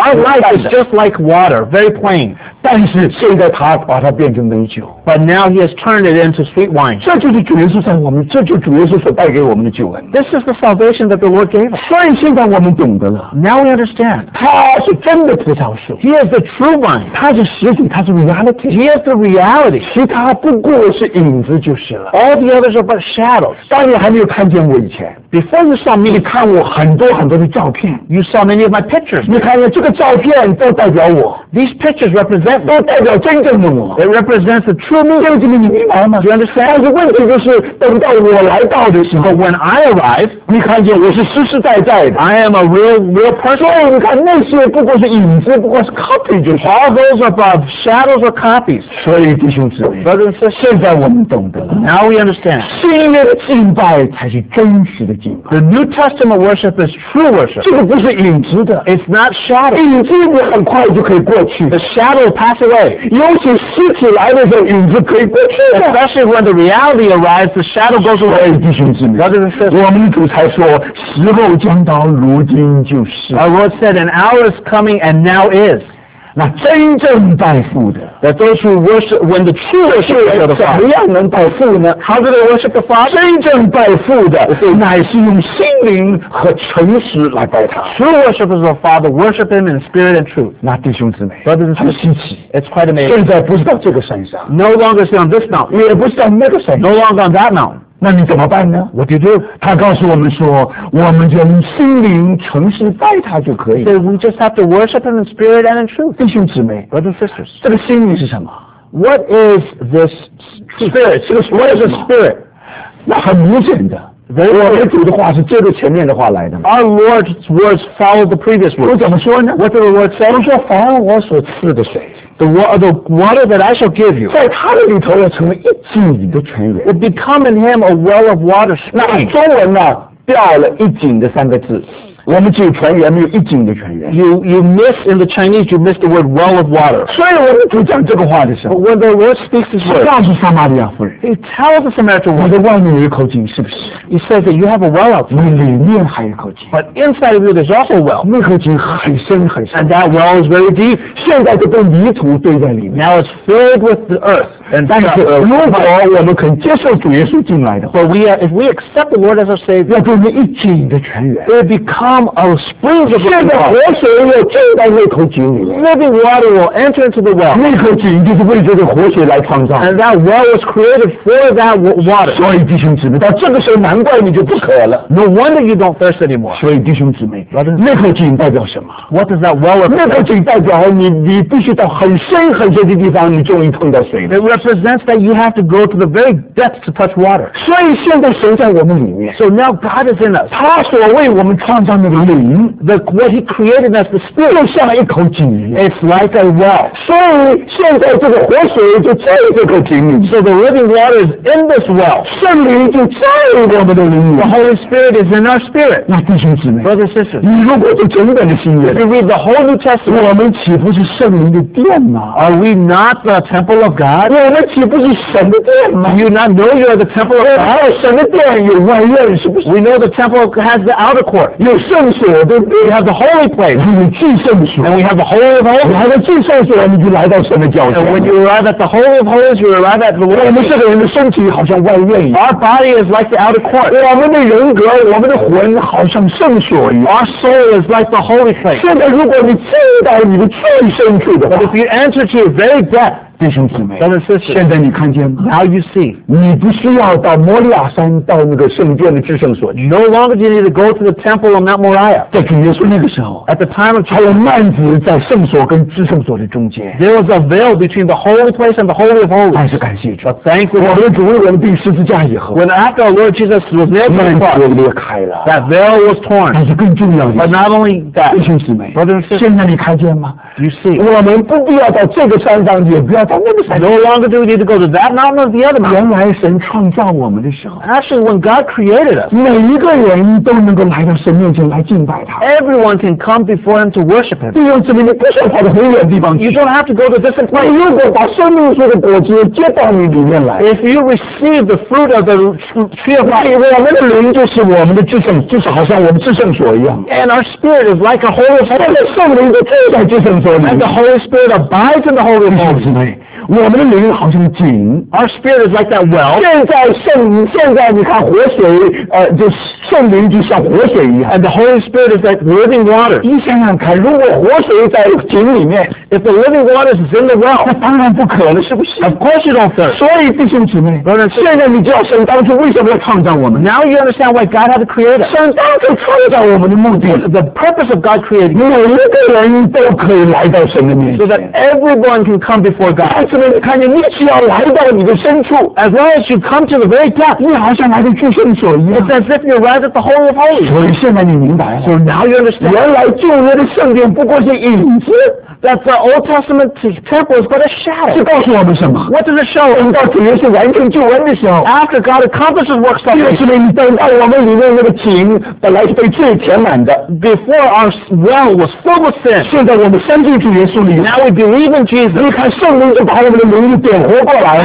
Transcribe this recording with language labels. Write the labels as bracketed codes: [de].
[en] ，Our life is just like water, very plain. [zh] 但是现在他把它变成美酒 [en] ，But now he has turned it into sweet wine. [zh] 这就是主耶稣在我们，这就是主耶稣所带给我们的救恩。 [en] This is the salvation that the Lord gave us. [zh] 所以现在我们懂得了 [en] ，Now we understand. [zh] 他是真的葡萄树 [en] ，He is the true vine. [zh] 他是实体，他是 [en] reality. He is the reality. [zh] 其他不过是影子就是了 [en] ，All the others are but shadows. [zh] 当你还没有看见我以前 [en] ，Before you saw me, [zh] 你看我很多很多的照片。 [en] You saw many of my pictures. [zh] 你看见这个照片都代表我。 [en] These pictures represent [zh] 都代表真正的我。 [en] It represents the true me. [zh] 圣经里你明白吗 [en] ？Do you understand? [zh] 但是问题就是等到我来到的时候 [en] ，When I arrive， [zh] 你看见我是实实在在的。 [en] I am a real person. [zh] 所以你看那些不过是影子，不过是 copy 就是。 [en] All those above shadows are copies. [zh] 所以弟兄姊妹 [en] ，Brothers and sisters， [zh] 现在我们懂得了。 [en] Now we understand. [zh] 新约的敬拜才是真实的敬拜。 [en] The New Testament worship is true worship. [zh] 这个不是影子的。 [en] It's not shadow. [zh] 影子你很快就可以过去。 [en] The shadow pass away. [zh] 尤其尸体来的时候，影子可以过去。 [en] Especially when the reality arrives, the shadow goes away. [zh] 弟兄姊妹 [en] ，Brothers and sisters， [zh] 我们主才说，时候将到，如今就是。 [en] Our Lord said, "An hour is coming, and now is." [zh] 那真正拜父的 [en] ，That those who worship when the true worshipper [zh] 怎么样能拜父呢 [en] ？How do they worship the Father？ [zh] 真正拜父的，乃是用心灵和诚实来拜他。 [en] True worshippers of Father worship Him in spirit and truth。 [zh] 那弟兄姊妹 [en] ，Brothers and sisters， [zh] 很稀奇 [en] ，It's quite amazing。 [zh] 现在不是到这个山上 [en] ，No longer on this mountain， [zh] 也不是在那个山 [en] ，No longer on that mountain。 [zh] 那你怎么办呢 [en] ？What do you do？ [zh] 他告诉我们说，我们就用心灵诚实拜他就可以。 [en] So we just have to worship him in spirit and in truth。 [zh] 弟兄姊妹 [en] ，brothers and sisters， [zh] 这个心灵是什么 [en] ？What is this spirit？ [zh] 这个 [en] What is a spirit？ [zh] 那很明显的。我们主的话是接着前面的话来的。 [en] Our Lord's words follow the previous words。 [zh] 我怎么说呢 [en] ？What do the words say？ [zh] 他说：“凡我所赐的水 [en] ，the water that I shall give you， [zh] 在他的里头要成为一井的泉源。 [en] Will become in him a well of water spring。” [zh] 那中文呢，掉了一井的三个字。我们只有泉源，没有一井的泉源。 [en] You miss in the Chinese, you miss the word well of water。 [zh] 所以我们主讲这个话的时候 [en] ，When the Lord speaks this word， [zh] 告诉撒玛利亚夫人 [en] ，He tells the Samaritan woman， [zh] 你的外面有一口井，是不是 [en] ？He says that you have a well out there。 [zh] 你里面还有一口井 [en] ，But inside of you there's also a well。 [zh] 那口井很深很深 [en] ，And that well is very deep。 [zh] 现在就被泥土堆在里面 [en] ，Now it's filled with the earth。 And [zh] 但是如果我们肯接受主耶稣进来的 [en] ，But if we accept the Lord as our Savior， [zh] 要变成一井的泉源 [en] ，It becomes springs of water. [zh] 现在活水要进到那口井里面。 [en] Living water will enter into the well. [zh] 那口井就是为这个活水来创造。 [en] And that well was created for that water. [zh] 所以弟兄姊妹，到这个时候，难怪你就不渴了。 [en] No wonder you don't thirst anymore. [zh] 所以弟兄姊妹，那口井代表什么 [en] ？What does that well represent? [zh] 那口井代表你必须到很深很深的地方，你终于碰到水了。 [en] It represents that you have to go to the very depth to touch water. [zh] 所以现在神在我们里面。 [en] So now God is in us. [zh] 他所为我们创造。那个灵 [en] the, what he created as the spirit [zh] 就像一口井 [en] It's like a well [zh] 所以现在这个活水就在这口井里 [en] So the living water is in this well [zh] 圣灵就在我们的灵里 [en] The Holy Spirit is in our spirit [zh] 那弟兄姊妹 [en] Brothers and sisters [zh] 你如果读整本的新约 [en] If you read the whole New Testament [zh] 我们岂不是圣灵的殿吗 [en] Are we not the temple of God [zh] 我们岂不是神的殿吗 [en] Do you not know you are the temple of God [zh] 还有神的殿有外院是不是 [en] We know the temple has the outer court [zh] 有圣 [en] We have the holy place, and we have the holy of holies. [zh] 你还在至圣所，你就来到神的教堂。 [en] And when you arrive at the holy of holies, you arrive at the Lord. [zh] 我们这个人的身体好像外院一样。 [en] Our body is like the outer court. [zh] 我们的人格，我们的魂好像圣所一样。 [en] Our soul is like the holy place. [zh] 现在如果你进到你的最深处的话 [en] ，But if you enter to your very depth. [zh] 弟兄姊妹，现在你看见吗 [en] ？Now you see， [zh] 你不需要到摩利亚山到那个圣殿的至圣所。 [en] No longer do you need to go to the temple on Mount Moriah。 [zh] 在主耶稣那个时候 [en] ，At the time of， [zh] 还有幔子在圣所跟至圣所的中间。 [en] There was a veil between the holy place and the holy of holies。 [zh] 但是感谢主 [en] ，But thank you。 [zh] 我们主为我们钉十字架以后 [en] ，When after our Lord Jesus was nailed to the cross， [zh] 裂开了 [en] ，That veil was torn。 [zh] 但是更重要的 [en] ，But not only that， [zh] 弟兄姊妹 [en] ，Brother， [zh] 现在你看见吗 [en] ？You see， [zh] 我们不必要到这个山上，也不要。 [en] No longer do we need to go to that mountain or the other mountain. [zh] 原来神创造我们的时候 [en] ，Actually, when God created us, [zh] 每一个人都能够来到神面前来敬拜他。 [en] Everyone can come before Him to worship Him. [zh] 弟兄姊妹，你不需要跑到很远的地方去。 [en] You don't have to go to distant places. [zh] 你如果把生命树的果子接到你里面来 [en] ，If you receive the fruit of the tree of life, [zh] 我们的灵就是我们的至圣，就是好像我们至圣所一样。 [en] And our spirit is like a holy place. [zh] 圣灵就住在至圣所里。 [en] And the Holy Spirit abides in the Holy Place. [zh] 弟兄姊妹。我们的灵好像井。 [en] Our spirit is like that well. [zh] 现在你看活水，就圣灵就像活水一样。 [en] And the Holy Spirit is like living water. [zh] 你想想看，如果活水在井里面 [en] ，If the living water is in the well, [zh] 那当然不可能，是不是 [en] ？Of course it don't. [zh] 所以弟兄姊妹 [en] ，Brother, [zh] 现在你就要神当初为什么要创造我们 [en] ？Now you understand why God had to create us. [zh] 神当初创造我们的目的 [en] ，The purpose of God creating. [zh] 每一个人都可以来到神的面前 [en] ，So that everyone can come before God. [zh] 弟兄姊妹，看见你只要来到你的深处 [en] ，As long as you come to the very depth, [zh] 你好像来到至圣所一样 [en] ，It's as if you're right at the Holy of Holies. [zh] 所以现在你明白了 [en] ，So now you understand. [zh] 原来旧约的圣殿不过是影子。 [en] That the Old Testament temple is but a shadow. [zh] 是告诉我们什么 [en] ？What does it show? [zh] 等到主耶稣完成救恩的时候 [en] ，After God accomplishes work salvation. [zh] 就是你等到我们里面那个井本来是被罪填满的 [en] ，Before our well was filled with sin. [zh] 现在我们相信主耶稣里 [en] ，Now we believe in Jesus. [zh] 你看圣灵就把我们的灵点活过来